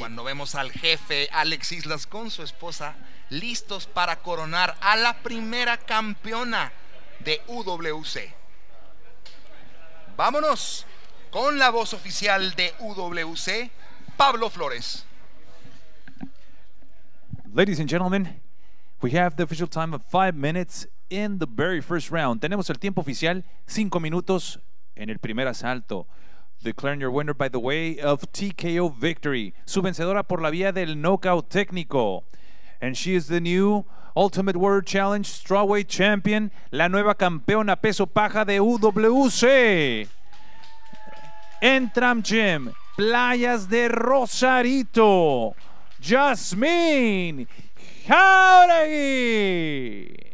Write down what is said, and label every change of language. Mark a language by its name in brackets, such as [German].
[Spanish] Cuando vemos al jefe Alex Islas con su esposa listos para coronar a la primera campeona de UWC. Vámonos con la voz oficial de UWC, Pablo Flores. [English] Ladies and gentlemen, we have the official time of 5 minutes in the very first round. [Spanish] Tenemos el tiempo oficial, 5 minutos en el primer asalto. [English] Declaring your winner by the way of TKO victory. [Spanish] Su vencedora por la vía del knockout técnico. [English] And she is the new Ultimate Warrior Challenge Strawweight Champion, [Spanish] la nueva campeona peso paja de UWC. Entram Gym, Playas de Rosarito, Yasmín Jáuregui.